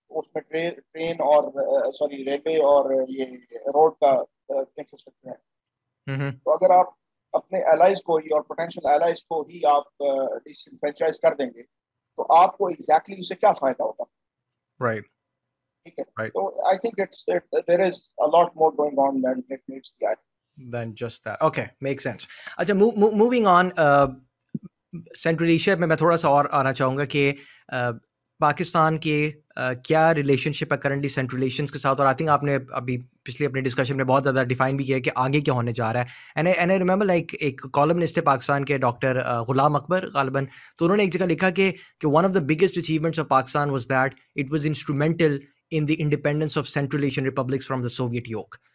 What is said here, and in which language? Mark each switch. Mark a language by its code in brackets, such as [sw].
[hi] उसमें ट्रेन और sorry railway और ये रोड का इंफ्रास्ट्रक्चर है. तो अगर आप अपने एलाइज को ही और पोटेंशियल एलाइज को ही आप डिसइनफ्रेंचाइज कर देंगे तो आपको एग्जैक्टली उससे क्या फायदा होगा? [en] Right. Right. So I think there is a lot more going on than it needs to get. Than just that. Okay, makes sense. [hi] Acha, [en] moving on, [hi] Central Asia, mein main thoda sa aur aana chahunga ki Pakistan के क्या relationship है currently central Asians के साथ, और [en] I think [hi] आपने अभी पिछले अपने डिस्कशन में बहुत ज़्यादा डिफाइन भी किया कि आगे क्या होने जा रहा है. [en] and I remember like [hi] एक कॉलमनिस्ट है पाकिस्तान के, [en] doctor Ghulam Akbar गालबन, [hi] तो उन्होंने एक जगह लिखा कि [en] One of the biggest achievements of Pakistan was that it was instrumental in the independence of central Asian republics from the Soviet yoke.